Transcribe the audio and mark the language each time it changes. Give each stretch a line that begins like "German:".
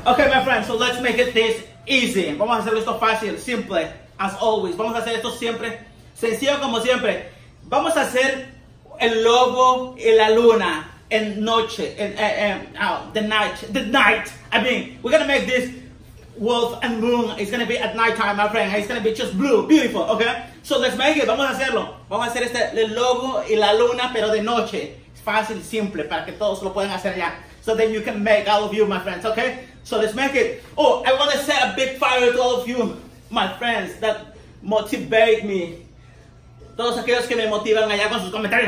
English: Okay, my friend. So let's make it this easy.
Spanish: Vamos a hacer esto fácil, simple,
English: as always.
Spanish: Vamos a hacer esto siempre, sencillo como siempre. Vamos a hacer el lobo y la luna en noche,
English: the night. I mean, we're gonna make this wolf and moon. It's gonna be at night time, my friend. It's gonna be just blue, beautiful. Okay. So let's make it.
Spanish: Vamos a hacerlo. Vamos a hacer este el lobo y la luna, pero de noche. Fácil, simple, para que todos lo puedan hacer ya.
English: So then you can make all of you, my friends, okay? So let's make it. Oh, I want to say a big fire to all of you, my friends, that motivate me.
Spanish: Todos aquellos que me motivan allá con sus comentarios.